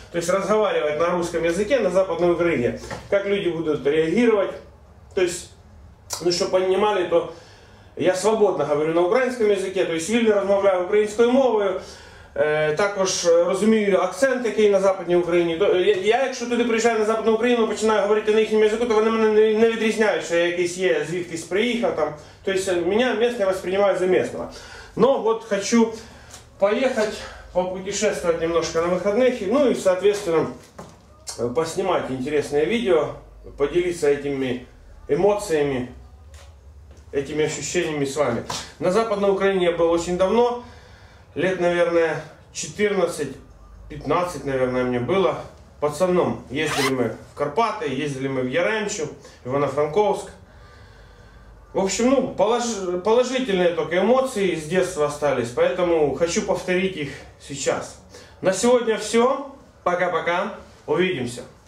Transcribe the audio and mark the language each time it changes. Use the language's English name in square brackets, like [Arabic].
[Russian] То есть разговаривать на русском языке на Западной Украине. Как люди будут реагировать. То есть, ну, чтобы понимали, то я свободно говорю на украинском языке. То есть, [Ukrainian] вільно розмовляю українською мовою. Також розумію акцент, який на Западній Україні. Я, якщо туди приїжджаю на Западну Україну, починаю говорити на їхньому язику, то вони мене не відрізняють, що я якийсь є, звідкись приїхав там. Тобто мене місце сприймають за місцево. Но от хочу поїхати, [Russian] попутешествовать немножко [Ukrainian] на вихідних, ну і, відповідно, поснімати інтересне відео, поділитися цими емоціями, цими відчуттями з вами. На Западній Україні я був дуже давно. [Russian] Лет, наверное, 14-15, наверное, мне было. Пацаном ездили мы в Карпаты, ездили мы в Яремчу, в Ивано-Франковск. В общем, ну, положительные только эмоции с детства остались, поэтому хочу повторить их сейчас. На сегодня все. Пока-пока. Увидимся.